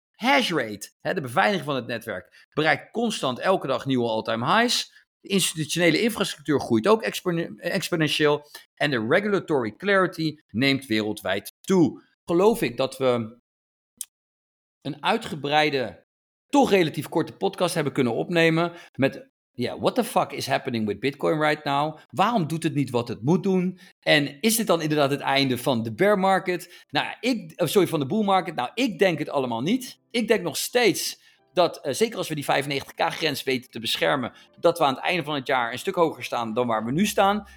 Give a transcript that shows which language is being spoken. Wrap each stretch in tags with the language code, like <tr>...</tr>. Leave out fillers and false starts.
<nl>Hash rate, de beveiliging van het netwerk, bereikt constant elke dag nieuwe all-time highs. De institutionele infrastructuur groeit ook exponentieel en de regulatory clarity neemt wereldwijd toe. Geloof ik dat we een uitgebreide, toch relatief korte podcast hebben kunnen opnemen met... Ja,</nl> <en>yeah, what the fuck is happening with Bitcoin right now?</en> <nl>Waarom doet het niet wat het moet doen? En is dit dan inderdaad het einde van de bear market? Van de bull market? Nou, ik denk het allemaal niet. Ik denk nog steeds dat, zeker als we die 95k-grens weten te beschermen, dat we aan het einde van het jaar een stuk hoger staan dan waar we nu staan.</nl>